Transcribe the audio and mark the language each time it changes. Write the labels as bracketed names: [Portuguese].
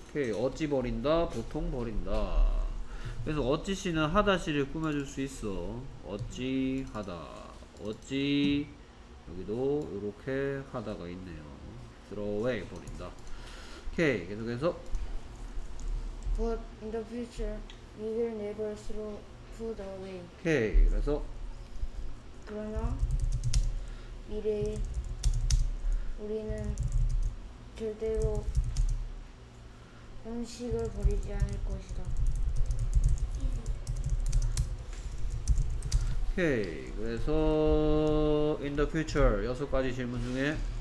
[Korean] 오케이, 어찌 버린다, 보통 버린다. 그래서 어찌 시는 하다시를 꾸며줄 수 있어. 어찌 하다, 어찌 여기도 이렇게 하다가 있네요. [English] Throw away, [Korean] 버린다. 오케이, 계속해서 [English] But in the future, we will never throw food away. [Korean] 오케이, 그래서 그러나 미래에 우리는 절대로 음식을 버리지 않을 것이다. 오케이, 그래서 [English] In the future, [Korean] 여섯 가지 질문 중에